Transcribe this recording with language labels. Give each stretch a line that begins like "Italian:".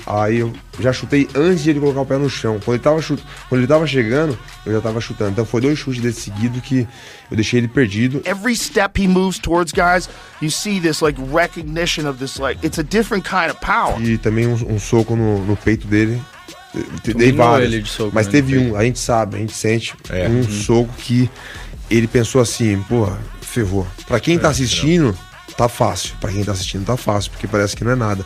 Portuguese: Aí eu já chutei antes de ele colocar o pé no chão. Quando ele tava chegando, eu já tava chutando. Então foi dois chutes desse seguido que eu deixei ele perdido.
English: Every step he moves towards guys, you see this like recognition of this like, it's a different kind of power.
Portuguese: E também um soco no peito dele. Dei vários, mas teve um, a gente sabe, a gente sente, um soco que ele pensou assim, porra, ferrou. Pra quem tá assistindo, tá fácil. Pra quem tá assistindo, tá fácil, porque parece que não é nada.